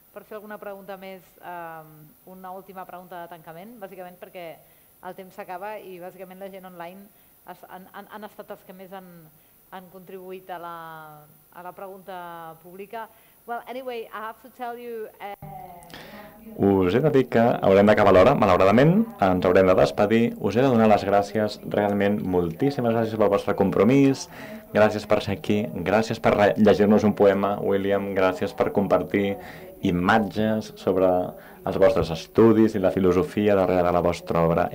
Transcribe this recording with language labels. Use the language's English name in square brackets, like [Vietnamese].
[Catalan] fer alguna pregunta més, una última pregunta de tancament, bàsicament perquè el temps s'acaba i bàsicament la gent online han estat els que més han contribuït a la pregunta pública. [English] Well, anyway, I have to tell you... [Catalan] Us he de dir que haurem d'acabar l'hora, malauradament, ens haurem de despedir, us he de donar les gràcies, realment moltíssimes gràcies pel vostre compromís, gràcies per ser aquí, gràcies per llegir-nos un poema, William, gràcies per compartir imatges sobre els vostres estudis i la filosofia darrere la vostra obra.